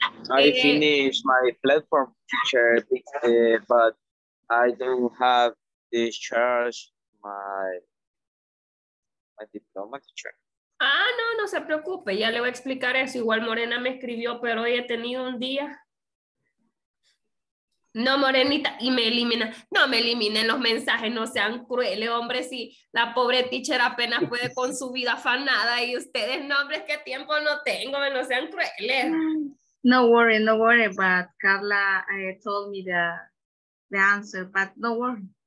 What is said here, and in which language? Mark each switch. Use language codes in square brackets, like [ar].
[en] I finished my platform, teacher, but I don't have discharged my diploma, teacher. [es] Ah, no, no se preocupe. Ya le voy a explicar eso. Igual Morena me escribió, pero hoy he tenido un día. No, Morenita, y me elimina. No me eliminen los mensajes, no sean crueles, hombre. Si la pobre teacher apenas puede con su vida afanada y ustedes, no, hombre, qué tiempo no tengo, no sean crueles. [en] No worry, no worry, but Carla told me the answer, but no worry.